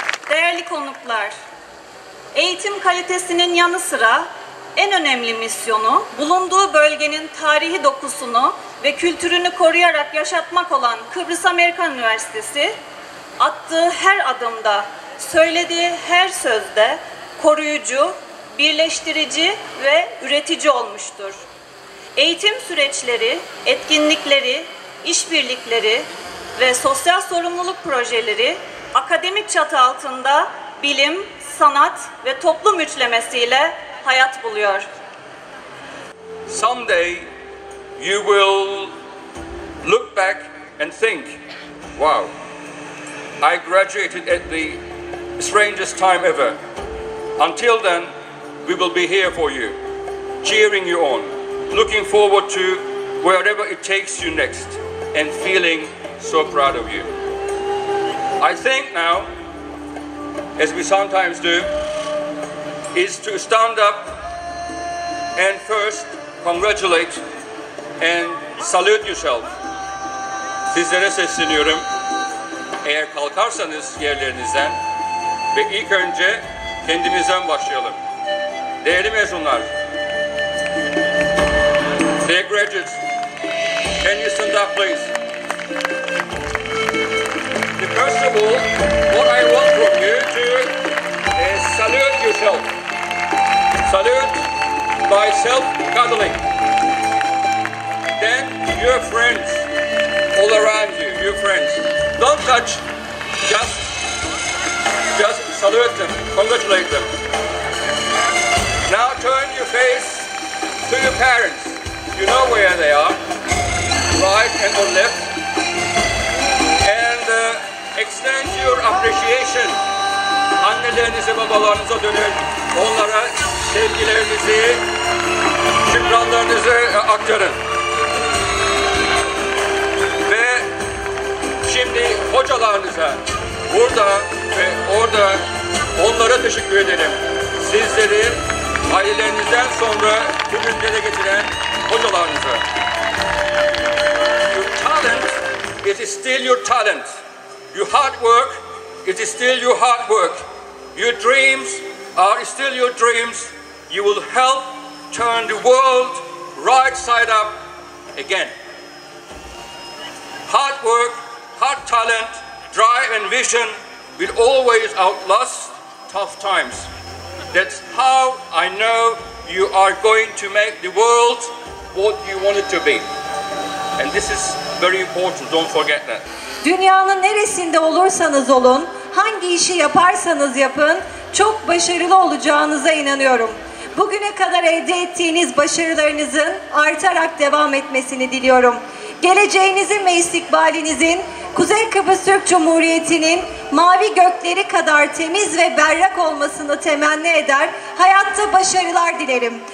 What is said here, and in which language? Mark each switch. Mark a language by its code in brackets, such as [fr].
[tr] Değerli konuklar, eğitim kalitesinin yanı sıra en önemli misyonu bulunduğu bölgenin tarihi dokusunu ve kültürünü koruyarak yaşatmak olan Kıbrıs Amerikan Üniversitesi, attığı her adımda, söylediği her sözde koruyucu, birleştirici ve üretici olmuştur. Eğitim süreçleri, etkinlikleri, işbirlikleri ve sosyal sorumluluk projeleri akademik çatı altında bilim, sanat ve toplum üçlemesiyle hayat buluyor. [en] Someday you will look back and think, wow, I graduated at the strangest time ever. Until then, we will be here for you, cheering you on, looking forward to wherever it takes you next, and feeling so proud of you. I think now, as we sometimes do, is to stand up and first congratulate and salute yourself. [tr] Sizlere sesleniyorum. Eğer kalkarsanız yerlerinizden ve ilk önce kendimizden başlayalım. Değerli mezunlar, [en] dear graduates, can you stand up please? First of all, what I want from you to is salute yourself. Salute by self-cuddling. Then your friends all around you, your friends. Don't touch, just salute them, congratulate them. Now turn your face to your parents. You know where they are, right and on left. And extend your appreciation. [tr] Annelerinize, babalarınıza dönün. Onlara sevgilerinizi, şükranlarınızı aktarın. Ve şimdi hocalarınıza burada ve orada onlara teşekkür edelim. Sizleri ailelerinizden sonra bugünlere getiren hocalarınıza. [en] Your talent, it is still your talent. Your hard work, it is still your hard work. Your dreams are still your dreams. You will help turn the world right side up again. Hard work, hard talent, drive and vision will always outlast tough times. That's how I know you are going to make the world what you want it to be. And this is very important, don't forget that. [tr] Dünyanın neresinde olursanız olun, hangi işi yaparsanız yapın, çok başarılı olacağınıza inanıyorum. Bugüne kadar elde ettiğiniz başarılarınızın artarak devam etmesini diliyorum. Geleceğinizin ve istikbalinizin Kuzey Kıbrıs Türk Cumhuriyeti'nin mavi gökleri kadar temiz ve berrak olmasını temenni eder, hayatta başarılar dilerim.